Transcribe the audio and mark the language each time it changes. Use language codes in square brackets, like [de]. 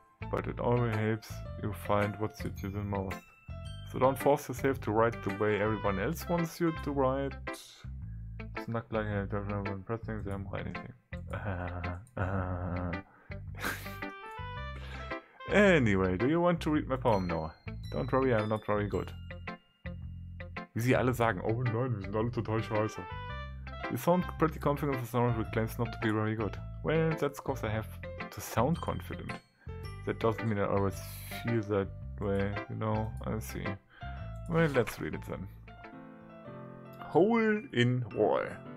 [en] But it always helps you find what suits you the most. So don't force yourself to write the way everyone else wants you to write. It's not like I don't know when pressing them or anything. Anyway, do you want to read my poem? No. Don't worry, I'm not very good. [de] Wie sie alle sagen, oh nein, wir sind alle total scheiße. [en] You sound pretty confident, but someone claims not to be very good. Well, that's because I have to sound confident. That doesn't mean I always feel that way, you know, I see. Well, let's read it then. Hole in Wall.